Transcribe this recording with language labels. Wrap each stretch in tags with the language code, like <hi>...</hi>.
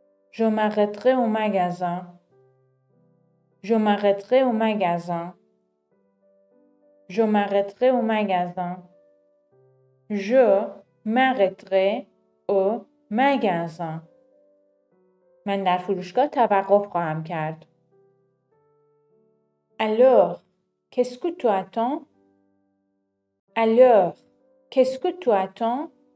<fr>Je m'arrêterai au magasin. Je m'arrêterai au magasin. Je m'arrêterai au magasin. Je m'arrêterai au magasin.</fr> <fa>من در فروشگاه توقف خواهم کرد.</fa> <fr>Alors, qu'est-ce que tu attends? Alors, qu'est-ce que tu attends?</fr>